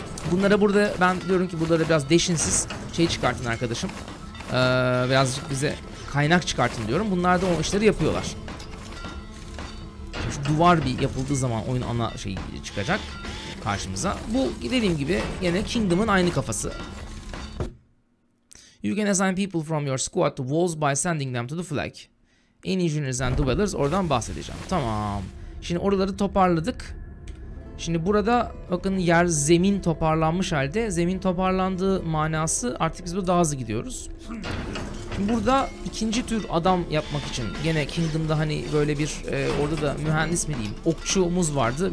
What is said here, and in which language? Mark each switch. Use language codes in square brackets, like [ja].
[tr] Bunlara burada, ben diyorum ki burada biraz deşinsiz şey çıkartın arkadaşım. Birazcık bize kaynak çıkartın diyorum. Bunlar da o işleri yapıyorlar. Şu duvar bir yapıldığı zaman oyun ana şey çıkacak karşımıza. Bu dediğim gibi yine Kingdom'un aynı kafası. [en] You can assign people from your squad to walls by sending them to the flag. In engineers and dwellers, [tr] oradan bahsedeceğim. Tamam. Şimdi oraları toparladık. Şimdi burada bakın yer, zemin toparlanmış halde. Zemin toparlandığı manası artık biz burada daha hızlı gidiyoruz. Şimdi burada ikinci tür adam yapmak için gene Kingdom'da hani böyle bir orada da mühendis mi diyeyim, okçumuz vardı.